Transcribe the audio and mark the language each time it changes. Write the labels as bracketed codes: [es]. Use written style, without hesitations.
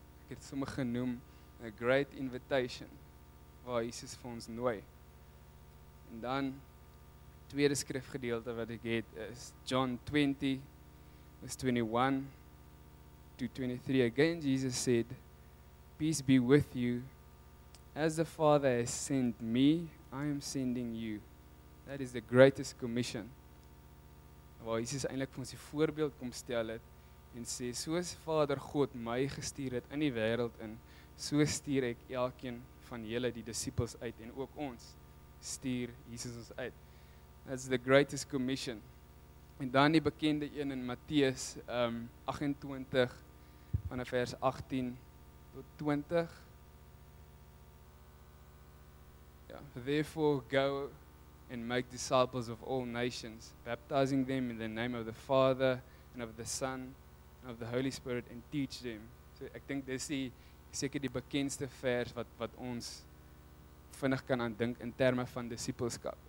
[af] Ek het sommer genoem [en] a great invitation [af] waar Jesus vir ons nooi. En dan tweede skrifgedeelte wat ek het is John 20 is 21-23. [en] Again Jesus said, peace be with you. As the Father has sent me, I am sending you. That is the greatest commission. [af] Waar Jesus eintlik vir ons die voorbeeld kom stel het en sê, soos Vader God my gestuur het in die wêreld in, so stuur ek elkeen van julle die disippels uit en ook ons stuur Jesus ons uit. [en] That's the greatest commission. [af] En dan die bekende een in Matteus 28 vanaf vers 18 tot 20. [en] Ja, therefore go and make disciples of all nations, baptizing them in the name of the Father and of the Son and of the Holy Spirit and teach them. [af] So ek dink dis die bekendste vers wat ons vinnig kan aan dink in terme van disippelskap.